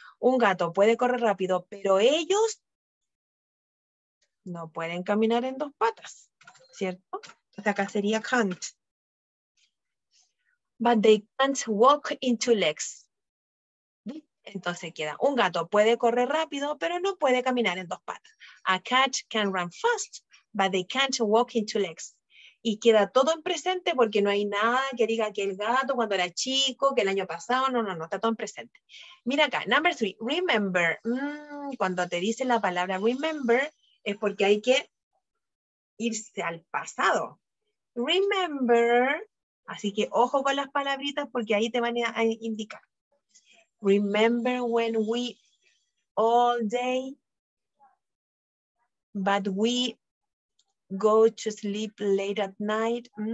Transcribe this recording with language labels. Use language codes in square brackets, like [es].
[es] Un gato puede correr rápido, pero ellos no pueden caminar en dos patas, ¿cierto? O sea, acá sería can't. [en] But they can't walk in two legs. [es] Entonces queda, un gato puede correr rápido, pero no puede caminar en dos patas. [en] A cat can run fast, but they can't walk in two legs. [es] Y queda todo en presente porque no hay nada que diga que el gato cuando era chico, que el año pasado, no, está todo en presente. Mira acá, [en] number three, remember. [es] Cuando te dice la palabra remember es porque hay que irse al pasado. Remember, así que ojo con las palabritas porque ahí te van a indicar. [en] Remember when we all day, but we go to sleep late at night.